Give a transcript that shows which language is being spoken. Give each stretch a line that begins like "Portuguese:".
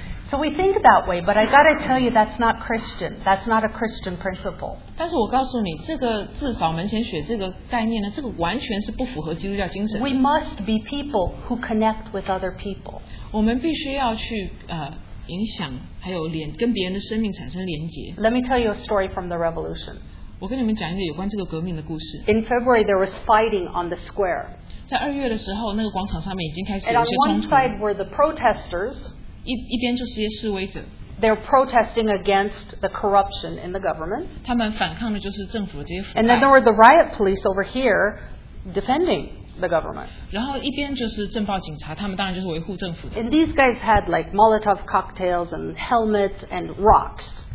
English: So we think that way, but I got to tell you, that's not Christian. That's not a Christian principle.
Chinese: 但是我告诉你，这个自扫门前雪这个概念呢，这个完全是不符合基督教精神。
English: We must be people who connect with other people.
Chinese: 我们必须要去影响，还有连跟别人的生命产生连结。
English: Let me tell you a story from the revolution.
Chinese: 我跟你们讲一个有关这个革命的故事。
English: In February, there was fighting on the square.
Chinese: 在二月的时候，那个广场上面已经开始有些冲突。
English: And on one side were the protesters.
Chinese: 一边就是一些示威者。
English: They're protesting against the corruption in the government.
Chinese: 他们反抗的就是政府的这些腐败。
English: And then there were the riot police over here defending the government.
Chinese: 然后一边就是政报警察，他们当然就是维护政府的。
English: And these guys had like Molotov cocktails and helmets and rocks.